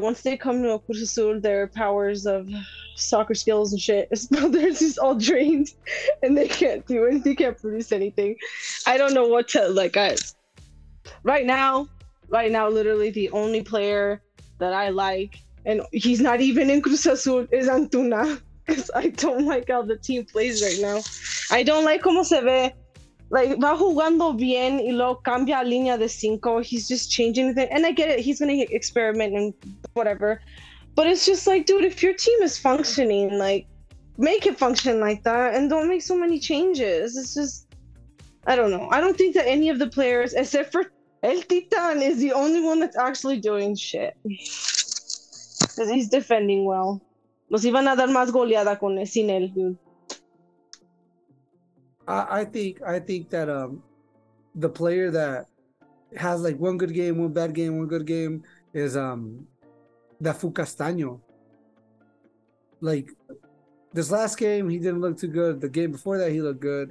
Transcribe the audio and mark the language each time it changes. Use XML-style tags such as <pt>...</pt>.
<en>Once they come to Cruz Azul, their powers of soccer skills and shit, they're just all drained and they can't do anything, they can't produce anything. I don't know what to, like, guys. Right now, literally the only player that I like, and he's not even in Cruz Azul, is Antuna. Because I don't like how the team plays right now. I don't like</en> <es>como se ve. Like, va jugando bien y luego cambia a línea de cinco.</es> <en>He's just changing the thing. And I get it. He's going to experiment and whatever. But it's just like, dude, if your team is functioning, like, make it function like that and don't make so many changes. It's just, I don't know. I don't think that any of the players, except for El Titan, is the only one that's actually doing shit. Because he's defending well.</en> <es>Nos iban a dar más goleada con él, sin él, dude.</es> <en>I think that the player that has, like, one good game, one bad game, one good game is Dafu Castaño. Like, this last game, he didn't look too good. The game before that, he looked good.</en>